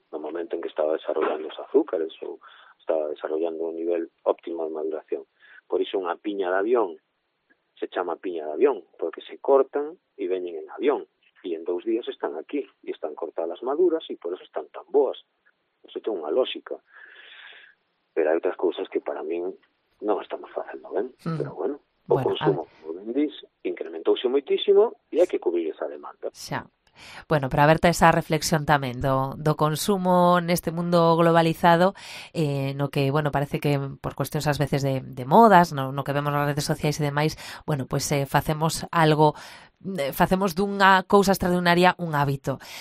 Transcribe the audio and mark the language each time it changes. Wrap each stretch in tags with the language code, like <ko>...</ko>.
<gl>No momento en que estaba desarrollando os azúcares ou estaba desarrollando un nivel óptimo de maduración. Por iso unha piña de avión se chama piña de avión, porque se cortan e veñen en avión.</gl> <es>Y en dos días están aquí y están cortadas maduras y por eso están tan</es> <gl>boas.</gl> <es>Eso tiene una lógica. Pero hay otras cosas que para mí no estamos haciendo bien. Pero bueno, consumo, como bien dices, incrementouse muchísimo y hay que cubrir esa demanda.</es> <gl>Xa. Bueno, para verte esa reflexión tamén do consumo neste mundo globalizado, no que, bueno, parece que por cuestións ás veces de modas, no que vemos nas redes sociais e demais, bueno, pues facemos algo, facemos dunha cousa extraordinaria un hábito.</gl>